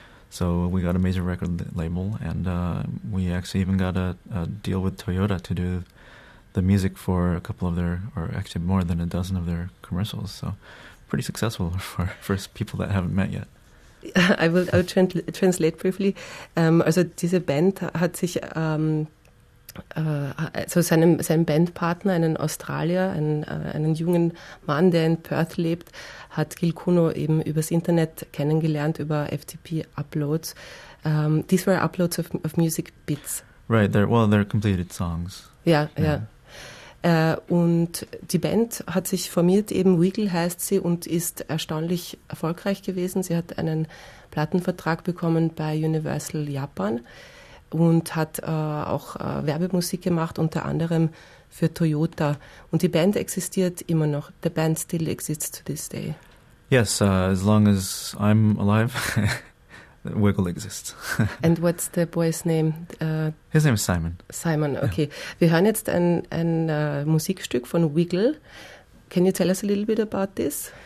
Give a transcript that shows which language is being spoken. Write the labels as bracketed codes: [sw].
[en] So we got a major record label, and we actually even got a deal with Toyota to do the music for a couple of their, or actually more than a dozen of their commercials. So pretty successful for people that haven't met yet. I'll translate briefly. [de] Also diese Band hat sich also seinem Bandpartner, einen Australier, einen jungen Mann, der in Perth lebt, hat Gil Kuno eben übers Internet kennengelernt, über FTP Uploads. [en] These were uploads of music bits. Right, they're completed songs. Yeah. [de] Und die Band hat sich formiert, eben Wiggle heißt sie, und ist erstaunlich erfolgreich gewesen. Sie hat einen Plattenvertrag bekommen bei Universal Japan und hat auch Werbemusik gemacht, unter anderem für Toyota. Und die Band existiert immer noch. [en] The band still exists to this day. Yes, as long as I'm alive, Wiggle exists. And what's the boy's name? His name is Simon. [de] Simon, okay. Yeah. Wir hören jetzt ein Musikstück von Wiggle. [en] Can you tell us a little bit about this?